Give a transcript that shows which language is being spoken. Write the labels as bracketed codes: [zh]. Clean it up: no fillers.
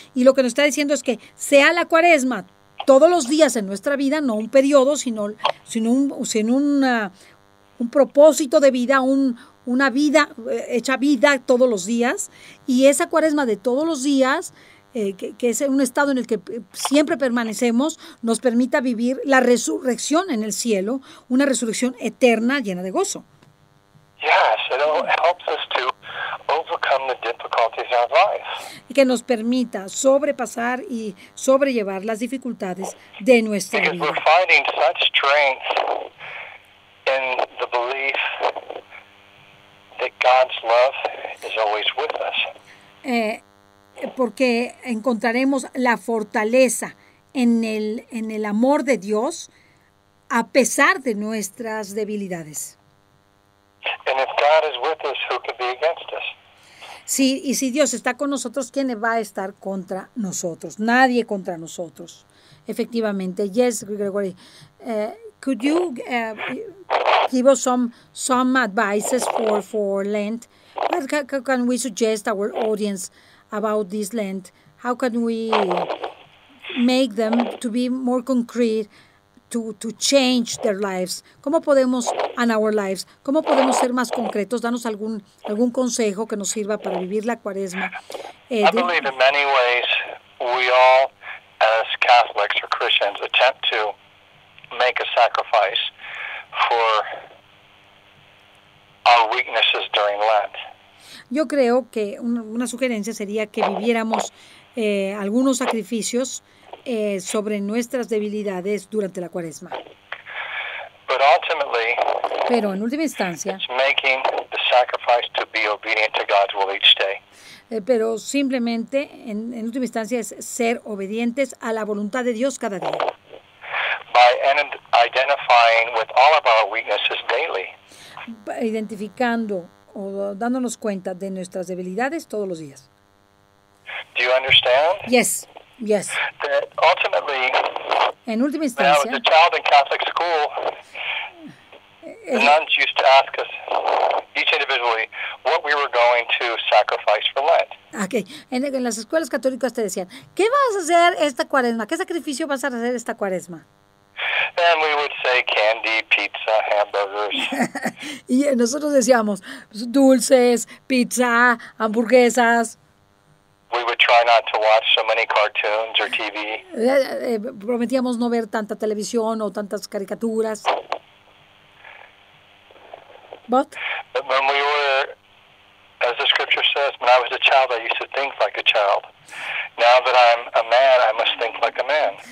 [es] Y lo que nos está diciendo es que sea la cuaresma todos los días en nuestra vida, no un periodo, sino un propósito de vida, una vida hecha vida todos los días. Y esa cuaresma de todos los días, que es un estado en el que siempre permanecemos, nos permita vivir la resurrección en el cielo, una resurrección eterna llena de gozo. [en] Yes, it helps us to overcome the difficulties of life. [es] Y que nos permita sobrepasar y sobrellevar las dificultades de nuestra [en] because [es] vida. [en] Because we're finding such strength in the belief that God's love is always with us. [es] Porque encontraremos la fortaleza en el amor de Dios a pesar de nuestras debilidades. [en] And if God is with us, who could be against us? [es] Sí, y si Dios está con nosotros, ¿quién va a estar contra nosotros? Nadie contra nosotros. Efectivamente. [en] Yes, [es] Gregory. [en] Could you give us some advices for Lent? What can we suggest our audience about this Lent? How can we make them to be more concrete, to change their lives? [es] ¿Cómo podemos ser más concretos? Danos algún consejo que nos sirva para vivir la cuaresma. [en] I believe in many ways we all, as Catholics or Christians, attempt to make a sacrifice for our weaknesses during Lent. [es] Yo creo que una sugerencia sería que viviéramos algunos sacrificios sobre nuestras debilidades durante la cuaresma. [en] But ultimately, [es] pero en última instancia, [en] it's making the sacrifice to be obedient to God's will each day. [es] Pero simplemente, en última instancia, es ser obedientes a la voluntad de Dios cada día. [en] By identifying with all of our weaknesses daily. [es] Identificando o dándonos cuenta de nuestras debilidades todos los días. [en] Do you understand? Yes. That ultimately, [es] en última instancia, [en] when I was a child in Catholic school, the nuns used to ask us each individually what we were going to sacrifice for Lent. Okay. [es] En las escuelas católicas te decían, ¿qué vas a hacer esta cuaresma? ¿Qué sacrificio vas a hacer esta cuaresma? [en] And we would say candy, pizza, hamburgers. [es] Y nosotros decíamos dulces, pizza, hamburguesas. [en] We would try not to watch so many cartoons or TV. [es] Prometíamos no ver tanta televisión o tantas caricaturas. [en] But when we were, as the scripture says, when I was a child, I used to think like a child. Now that I'm a man, I must think like a man.